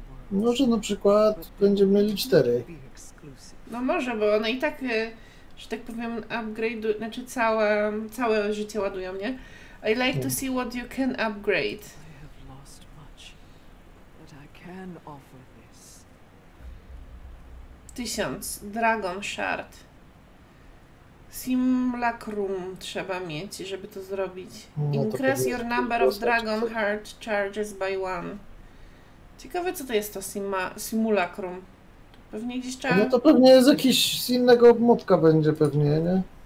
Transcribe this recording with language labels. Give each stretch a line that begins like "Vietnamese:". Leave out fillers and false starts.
Polish: Może na przykład będziemy mieli 4. No może, bo one i tak, że tak powiem, upgrade, znaczy całe życie ładują, nie?
English: I like to see what you can upgrade. I have lost much, but I can offer this. 1000 Dragon Shard.
Polish: Simulacrum trzeba mieć, żeby to zrobić.
English: Increase your number of Dragon Heart charges by one.
Polish: Ciekawe, co to jest to simulacrum. To pewnie gdzieś trzeba... No to pewnie z jakiś z innego modka będzie pewnie, nie?